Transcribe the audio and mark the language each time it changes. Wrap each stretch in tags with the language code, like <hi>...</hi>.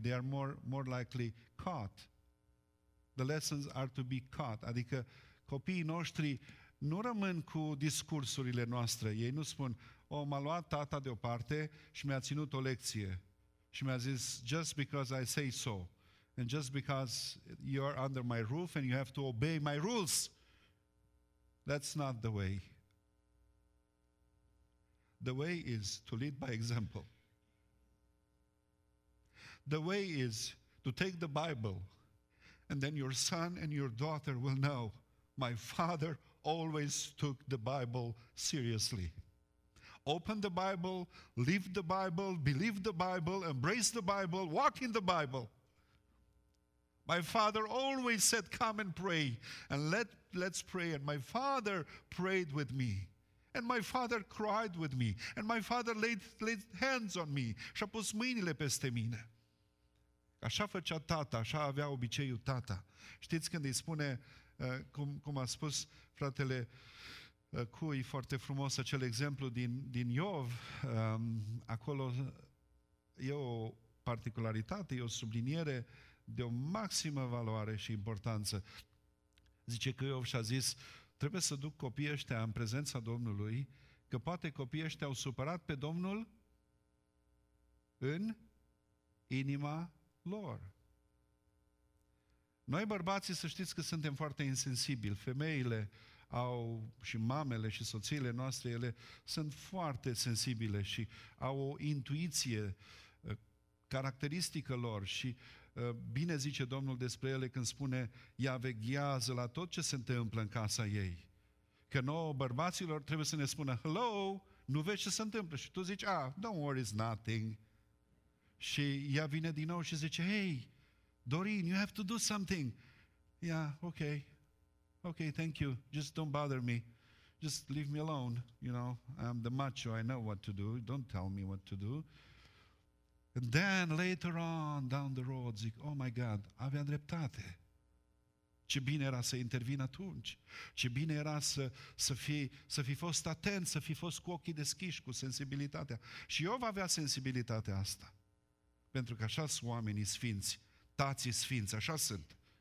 <en>They are more likely caught. The lessons are to be caught.</en> <ro>Adică copiii noștri nu rămân cu discursurile noastre. Ei nu spun, m-a luat tata deoparte și mi-a ținut o lecție. Și mi-a zis,</ro> <en>just because I say so. And just because you are under my roof and you have to obey my rules. That's not the way. The way is to lead by example. The way is to take the Bible and then your son and your daughter will know my father always took the Bible seriously. Open the Bible, live the Bible, believe the Bible, embrace the Bible, walk in the Bible. My father always said, come and pray and let's pray. And my father prayed with me. And my father cried with me. And my father laid hands on me.</en> <ro>Și-a pus mâinile peste mine. Așa făcea tata, așa avea obiceiul tata. Știți când îi spune, cum a spus fratele Cui, foarte frumos acel exemplu din Iov, acolo e o particularitate, e o subliniere de o maximă valoare și importanță. Zice că Iov și-a zis, trebuie să duc copiii ăștia în prezența Domnului, că poate copiii ăștia au supărat pe Domnul în inima lor. Noi bărbații să știți că suntem foarte insensibili. Femeile au, și mamele și soțiile noastre, ele sunt foarte sensibile și au o intuiție caracteristică lor și bine zice Domnul despre ele când spune ea veghează la tot ce se întâmplă în casa ei. Că nouă bărbaților trebuie să ne spună hello, nu vezi ce se întâmplă? Și tu zici,</ro> <en>don't worry, it's nothing.</en> <ro>Și ea vine din nou și zice,</ro> <en>hey, Dorin, you have to do something. Yeah, okay, thank you. Just don't bother me. Just leave me alone, you know. I'm the macho, I know what to do. Don't tell me what to do. And then, later on, down the road,</en> <ro>zic,</ro> <en>oh my God,</en> <ro>aveam dreptate. Ce bine era să intervin atunci. Ce bine era să fi fost atent, să fi fost cu ochii deschiși, cu sensibilitatea. Și eu avea sensibilitatea asta. Pentru că așa sunt oamenii sfinți, tații sfinți, așa sunt.</ro>